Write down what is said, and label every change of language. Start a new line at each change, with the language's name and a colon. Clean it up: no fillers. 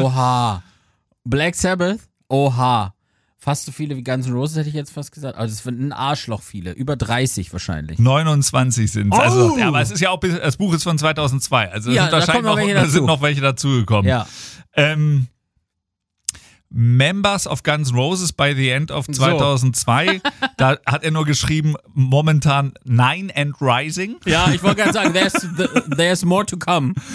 German: Oha. Black Sabbath? Oha. Fast so viele wie Guns N' Roses, hätte ich jetzt fast gesagt. Also es sind ein Arschloch viele. Über 30 wahrscheinlich. 29 sind es. Oh. Also, ja, aber es ist ja auch, das Buch ist von 2002. Also ja, sind noch welche dazugekommen. Ja.
English: Members of Guns N' Roses by the end of 2002, so.
German: Da hat er nur geschrieben, momentan 9
English: and rising.
German: Ja, ich wollte gerade sagen,
English: there's more to come.